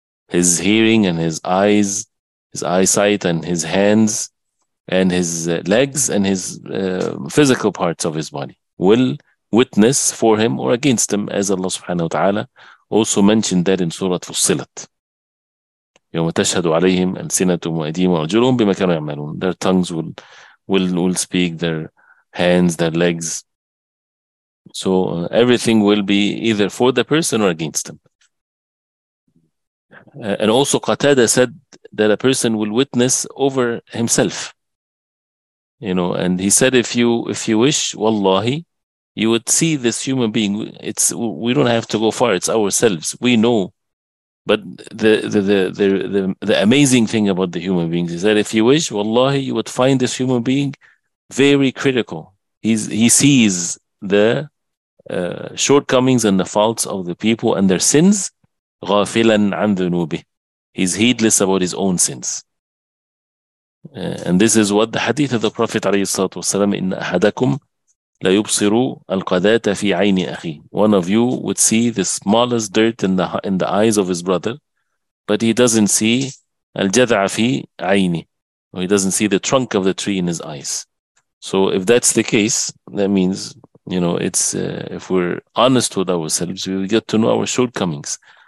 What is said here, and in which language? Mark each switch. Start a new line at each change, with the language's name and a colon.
English: His hearing and his eyes, his eyesight and his hands and his legs and his physical parts of his body will witness for him or against him, as Allah subhanahu wa ta'ala also mentioned that in Surah Fussilat.
Arabic: يوم تشهد عليهم ألسنتهم وأيديهم وأرجلهم بما كانوا يعملون.
English: Their tongues will speak, their hands, their legs. So everything will be either for the person or against them. And also Qatada said that a person will witness over himself. You know, and he said, if you wish, wallahi, you would see this human being. It's, we don't have to go far, it's ourselves. We know. But the amazing thing about the human beings is that if you wish, wallahi, you would find this human being very critical. He sees the shortcomings and the faults of the people and their sins.
Arabic: غافلاً عن ذنوبه.
English: He's heedless about his own sins. And this is what the hadith of the Prophet
Arabic: عليه الصلاة والسلام, إن أحدكم لا يبصر القذاة في عين أخي.
English: One of you would see the smallest dirt in the eyes of his brother, but he doesn't see
Arabic: الجذع في عيني,
English: or he doesn't see the trunk of the tree in his eyes. So if that's the case, that means, you know, it's if we're honest with ourselves, we get to know our shortcomings.